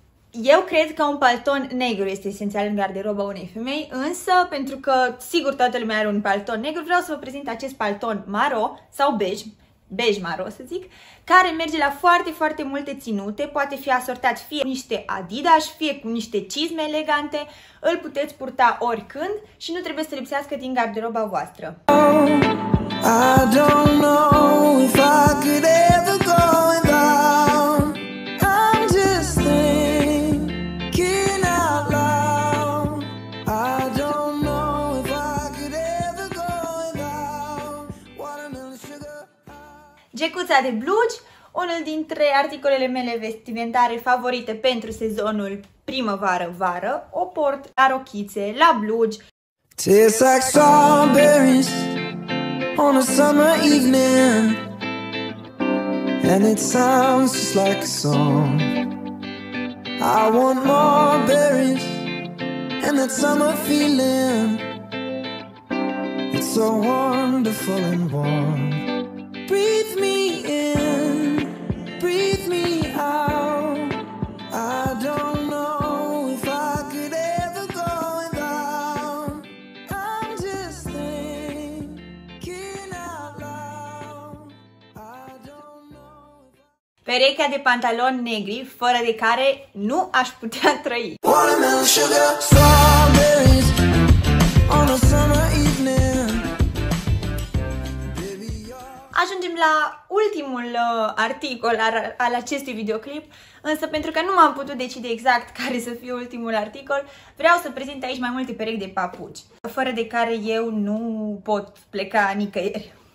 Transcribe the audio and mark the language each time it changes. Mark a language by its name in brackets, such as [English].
[Romanian] Eu cred că un palton negru este esențial în garderoba unei femei, însă, pentru că sigur toată lumea are un palton negru, vreau să vă prezint acest palton maro sau bej, bej maro să zic, care merge la foarte, foarte multe ținute, poate fi asortat fie cu niște Adidas, fie cu niște cizme elegante, îl puteți purta oricând și nu trebuie să lipsească din garderoba voastră. [English] I don't know if I could ever go down. I'm just thinking out loud. I don't know if I could ever go down. Watermelon sugar. [Romanian] Gecuța de blugi, unul dintre articolele mele vestimentare favorite pentru sezonul primăvară-vară. O port la rochițe, la blugi. [English] Tastes like strawberries on a summer evening, and it sounds just like a song. I want more berries and that summer feeling. It's so wonderful and warm. Breathe me in, breathe me out. I don't know if I could ever go down. I'm just thinking out loud. I don't know. [Romanian] Perechea de pantaloni negri, fără de care nu aș putea trăi. [English] Watermelon sugar, strawberries on a summer evening. [Romanian] Ajungem la ultimul articol al acestui videoclip, însă pentru că nu m-am putut decide exact care să fie ultimul articol, vreau să prezint aici mai multe perechi de papuci, fără de care eu nu pot pleca nicăieri.